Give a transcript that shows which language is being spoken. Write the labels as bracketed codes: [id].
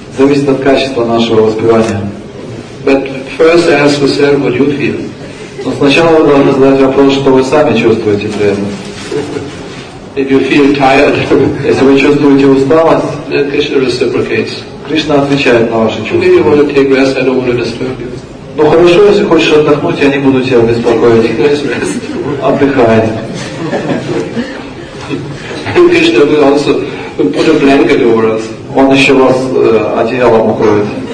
[ru] Зависит от качества нашего воспевания. [en] But first, ask yourself what you feel. [ru] Но сначала вы должны задать вопрос, что вы сами чувствуете при этом. [en] If you feel tired, [ru] если вы чувствуете усталость, [en] then Krishna reciprocates. [ru] Кришна отвечает на ваши чувства. [en] Maybe you want to take rest, I don't want to disturb you. [ru] Ну хорошо, если хочешь отдохнуть, я не буду тебя беспокоить. [en] Take nice rest. [ru] Отдыхай. [en] Krishna will also put a blanket over us. [ru] Он еще вас одеялом укроет.